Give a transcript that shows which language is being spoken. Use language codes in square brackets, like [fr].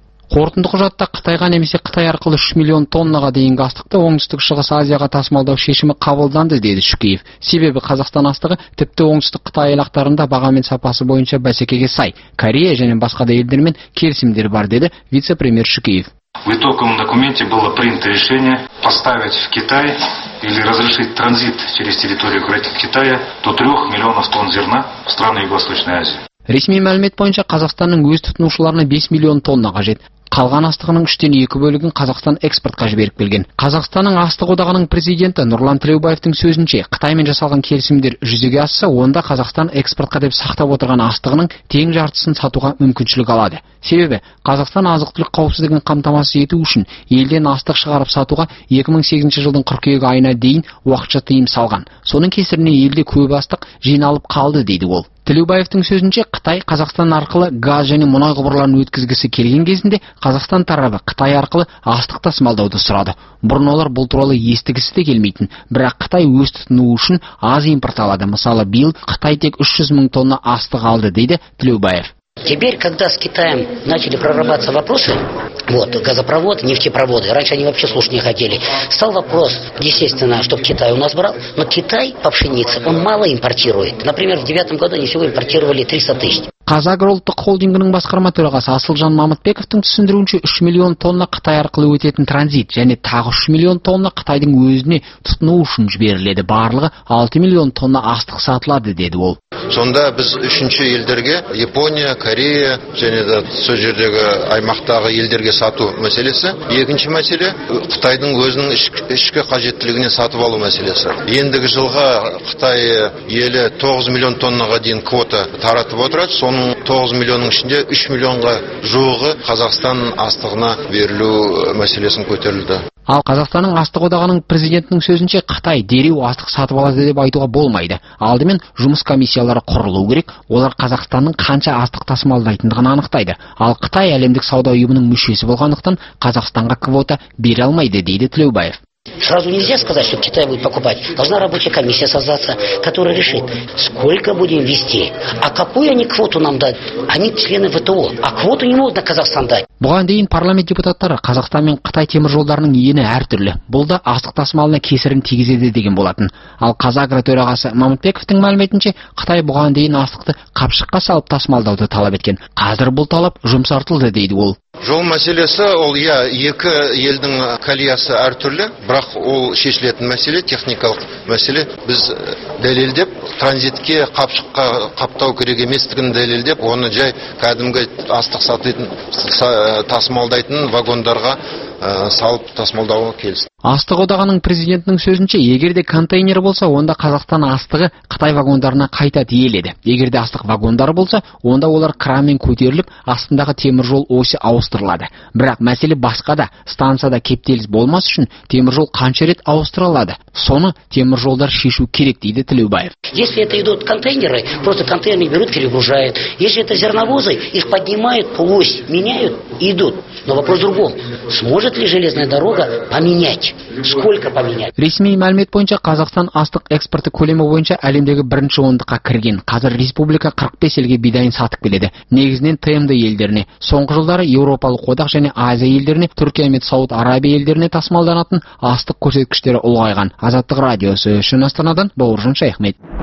[kk] Қорытынды құжатта Қытайға немесе Қытай арқылы 3 миллион тоннаға дейінгі астықты оңтүстік-шығыс Азияға тасымалдау шешімі қабылданды, деді Шүкеев. Себебі Қазақстан астығы тіпті оңтүстік Қытай аймақтарында баға мен сапасы бойынша бәсекеге сай. Корея және басқа да елдермен келісімдер бар, деді вице-премьер Шүкеев. [ru] В итоговом документе было принято решение поставить в Китай или разрешить транзит через территорию Китая до 3 миллионов тонн зерна в страны Юго-Восточной Азии. [kk] Ресми мәлімет бойынша Қазақстанның өз тұтынушыларына 5 миллион тонна қажет. Қалған астығының 3-тен 2 бөлігін Қазақстан экспортқа жіберіп келген. Қазақстанның астық одағының президенті Нұрлан Тілеубаевтың сөзінше, Қытаймен жасалған келісімдер жүзеге асса, онда Қазақстан экспортқа деп сақтап отырған астығының тең жартысын сатуға мүмкіншілік алады. Себебі Қазақстан азық-түлік қауіпсіздігін қамтамасыз ету үшін елден астық шығарып сатуға 2008 жылдың 42 айына дейін уақытша тыйым салған. Соның кесірінен елде көп астық жиналып қалды, дейді ол. Тілеубаевтың сөзінше, Қытай Қазақстан арқылы газ және мұнай құбырларын өткізгісі келген кезінде Қазақстан тарабы Қытай арқылы астық тасымалдауды сұрады. Бұрын олар бұл туралы естігісі де келмейтін, бірақ Қытай өз тұтыну үшін аз импорт алады. Мысалы, биыл Қытай тек 300 мың тонна астық алды, дейді Тілеубаев. [ru] Теперь, когда с Китаем начали прорабатываться вопросы, вот, газопроводы, нефтепроводы, раньше они вообще слушать не хотели, стал вопрос, естественно, чтобы Китай у нас брал, но Китай по пшенице, он мало импортирует. Например, в 2009 году они всего импортировали 300 тысяч. [kk] Қазагро ұлттық холдингінің басқарма төрағасы Асылжан Мамытбековтің түсіндіруінше, 3 миллион тонна Қытай арқылы өтетін транзит және тағы 3 миллион тонна Қытайдың өзіне тұтыну үшін жіберіледі. Барлығы 6 миллион тонна астық сатылады, деді ол. Сонда біз үшінші елдерге, Япония, Корея және де сол жердегі аймақтағы елдерге сату мәселесі, екінші мәселе Қытайдың өзінің ішкі қажеттілігіне сатып алу мәселесі. Ендігі жылға Қытай елі 9 миллион тоннаға дейін квота таратып отырады. Соның 9 миллионның ішінде 3 миллионға жуығы Қазақстан астығына берілу мәселесін көтерілді. Ал Қазақстанның астық одағының президентінің сөзінше, Қытай дереу астық сатып алады деп айтуға болмайды. Алдымен жұмыс комиссиялары құрылу керек, олар Қазақстанның қанша астық тасымалдайтындығын анықтайды. Ал Қытай әлемдік сауда ұйымының мүшесі болғандықтан Қазақстанға квота бере алмайды, дейді Тілеубаев. [ru] Сразу нельзя сказать, что Китай будет покупать. Должна рабочая комиссия создаться, которая решит, сколько будем везти, а какую они квоту нам дают. Они члены ВТО, а квоту не могут на Казахстан дать. [kk] Бұған дейін парламент депутаттары Қазақстан мен Қытай теміржолдарының ені әртүрлі. Бұл да астық тасымалына кесірін тигізеді деген болатын. Ал Қазагро төрағасы Мамытбековтің мәліметінше, Қытай бұған дейін астықты қапшыққа салып тасымалдауды талап еткен. Қазір бұл талап жұмсартылды, дейді ол. Жол мәселесі ол, я, екі елдің калиясы әртүрлі, бірақ ол шешілетін мәселе, техникалық мәселе. Біз дәлелдеп, транзитке қапшыққа қаптау керек еместігін дәлелдеп, оны жай кәдімгі астық сатылатын тасымалдайтын вагондарға салып тасымалдауға келісті. Астық одағының президентінің сөзінше, егер де контейнер болса, онда Қазақстан астығы Қытай вагондарына қайта тиеледі. Егер де астық вагондары болса, онда олар крамен көтеріліп, астындағы теміржол осы ауыстырылады. Бірақ мәселе басқа да, станцияда кептеліс болмас үшін теміржол қанша рет ауыстырылады. Соны теміржолдар шешу керек, дейді Тілеубаев. [ru] Если это идут контейнеры, просто контейнеры берут, перегружают. Если это зерновозы, их поднимают, ось меняют, идут. Но вопрос в другом. Сможет ли железная дорога поменять? [kk] Ресми мәлімет бойынша Қазақстан астық экспорты көлемі бойынша әлемдегі бірінші ондыққа кірген. Қазір республика 45 елге бидайын сатып келеді. Негізінен ТМД елдеріне, соңғы жылдары Еуропалық одақ және Азия елдеріне, Түркия мен Сауд Арабия елдеріне тасымалданатын астық көрсеткіштері ұлғайған. Азаттық радиосы үшін Астанадан Бауыржан Шаяхмет.